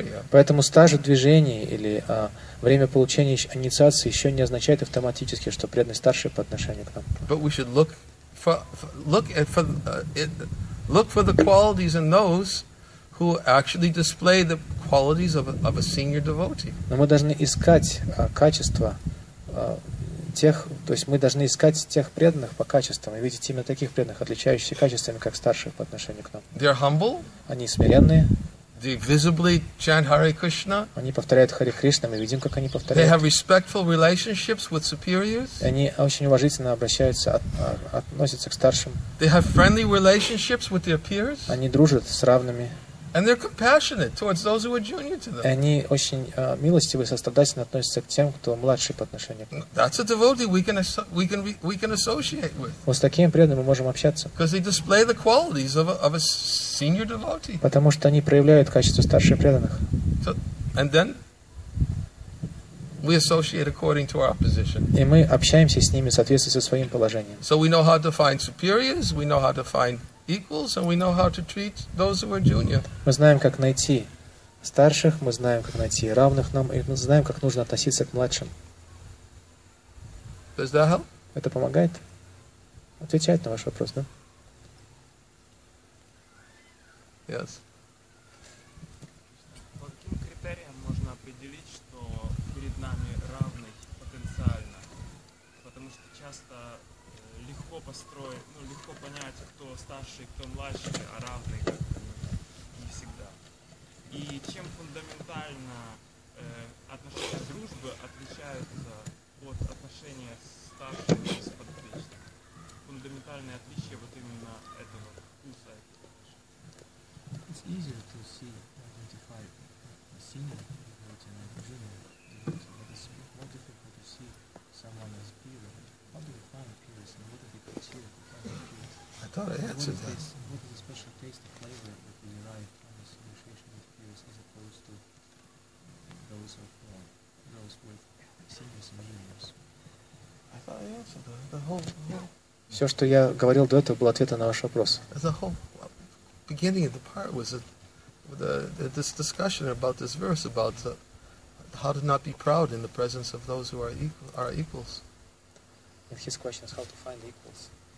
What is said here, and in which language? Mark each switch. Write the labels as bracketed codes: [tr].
[ru] Поэтому стаж в движении или время получения инициации еще не означает автоматически, что преданный старший по отношению к нам. [en] But we should look for the qualities in those who actually display the qualities of a senior devotee. [ru] Но мы должны искать качества тех, то есть мы должны искать тех преданных по качествам и видеть именно таких преданных, отличающихся качествами как старших по отношению к нам. [en] They're humble. [ru] Они смиренные. [en] They visibly chant Hare Krishna. [ru] Они повторяют Харе Кришна. Мы видим, как они повторяют. [en] They have respectful relationships with superiors. [ru] Они очень уважительно обращаются, относятся к старшим. [en] They have friendly relationships with their peers. [ru] Они дружат с равными. [en] And they're compassionate towards those who are junior to them. [ru] Они очень милостивы и сострадательно относятся к тем, кто младше по отношению к ним. [en] That's a devotee we can associate with. [ru] Вот с такими преданными мы можем общаться. [en] Because they display the qualities of a senior devotee. [ru] Потому что они проявляют качество старших преданных. [en] So, and then we associate according to our position. [ru] И мы общаемся с ними в соответствии со своим положением. [en] So we know how to find superiors, we know how to find equals, and we know how to treat those who are junior. [ru] Мы знаем, как найти старших, мы знаем, как найти равных нам, и мы знаем, как нужно относиться к младшим. [en] Does that help? [ru] Это помогает? Отвечает на ваш вопрос, да? [en] Yes. [ru] По каким критериям можно определить, что перед нами равный потенциально? Потому что часто легко построить, ну, легко понять, кто старший, кто младший, а равный не всегда. И чем фундаментально отношения дружбы отличаются от отношения старшего и с подопечным? Фундаментальное отличие вот именно этого вкуса. [en] It's easier to see, identify a senior devotee and a junior devotee, but it's more difficult to see someone as peer. How do you find peers and what are the criteria to find peers? I thought I answered what that. What is the special taste of flavor that we derive from this association with peers as opposed to those with seniors and juniors? I thought I answered that. The whole yeah. [ru] Все, что я говорил до этого, был ответом на ваш вопрос. [en] The whole beginning of the part was this discussion about this verse about how to not be proud in the presence of those who are equals. And his question is how to find equals.